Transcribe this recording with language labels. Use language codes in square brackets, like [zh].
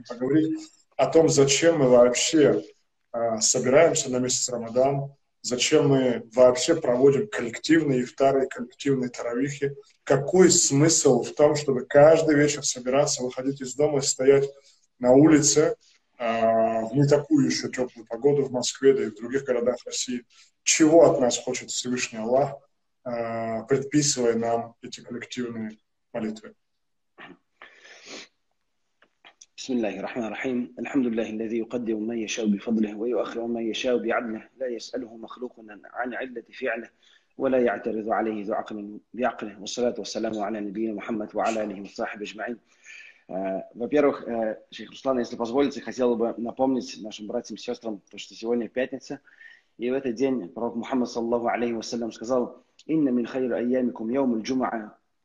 [ru] поговорить о том, зачем мы вообще собираемся на месяц Рамадан, зачем мы вообще проводим коллективные ифтары, коллективные таравихи, какой смысл в том, чтобы каждый вечер собираться, выходить из дома и стоять на улице в не такую еще теплую погоду в Москве, да и в других городах России. Чего от нас хочет Всевышний Аллах, предписывая нам эти коллективные молитвы? [ar] بسم الله الرحمن الرحيم الحمد لله الذي يقدر من يشاء بفضله ويؤخر من يشاء بعدله لا يسأله مخلوق عن علة فعله ولا يعترض عليه ذو عقل بعقله والصلاة والسلام على نبينا محمد وعلى آله وصحبه أجمعين. [ru] Во-первых, шейх Руслан, если позволите, хотел бы напомнить нашим братьям и сестрам, что сегодня пятница, и в этот день пророк Мухаммад саллаллаху алейхи ва саллям сказал: [ar] "Инна мин хайру айямикум йаум аль-джумуа".